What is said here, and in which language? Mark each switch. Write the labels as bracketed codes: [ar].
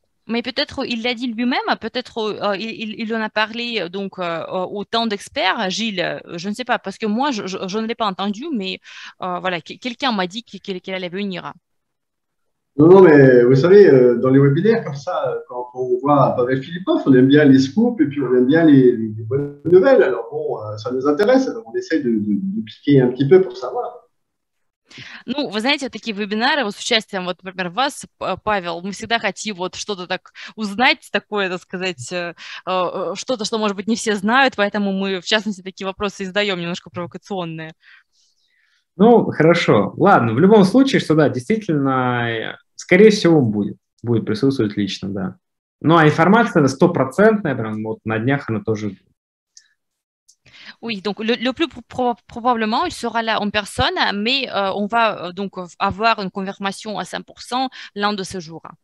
[fr] Mais peut-être il l'a dit lui-même, peut-être il en a parlé donc autant d'experts, Gilles, je ne sais pas, parce que moi je ne l'ai pas entendu, mais voilà, quelqu'un m'a dit qu'il allait venir. Non, non, mais vous savez, dans les webinaires comme ça, quand on voit Pavel Filipov, on aime bien les scoops et puis on aime bien les bonnes nouvelles. Alors bon, ça nous intéresse, alors on essaye de piquer un petit peu pour savoir. [ru] Ну, вы знаете, такие вебинары вот с участием, вот, например, вас, Павел, мы всегда хотим вот что-то так узнать, такое, так сказать, что-то, что, может быть, не все знают, поэтому мы, в частности, такие вопросы и задаем немножко провокационные. Ну, хорошо. Ладно, в любом случае, что да, действительно, скорее всего, будет присутствовать лично, да. Ну, а информация стопроцентная, прям вот на днях она тоже будет. [fr] Oui, donc le plus probablement, il sera là en personne, mais on va donc avoir une confirmation à 100% l'un de ces jours.